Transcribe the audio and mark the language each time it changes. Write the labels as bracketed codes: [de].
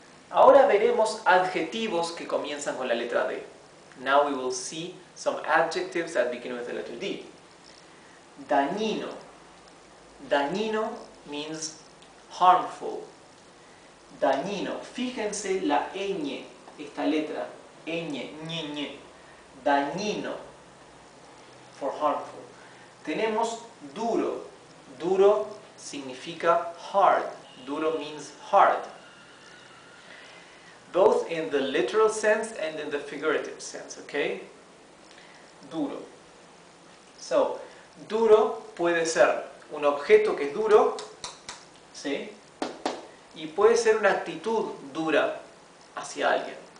[es] Ahora veremos adjetivos que comienzan con la letra D. [en] Now we will see some adjectives that begin with the letter D. Dañino. Dañino means harmful. Dañino. [es] Fíjense la ñ, esta letra. Ñ, ñ, ñ. Dañino. [en] For harmful. [es] Tenemos duro. Duro significa hard. [en] Duro means hard. Both in the literal sense and in the figurative sense, okay? [es] Duro. So, duro puede ser un objeto que es duro, ¿sí? Y puede ser una actitud dura hacia alguien.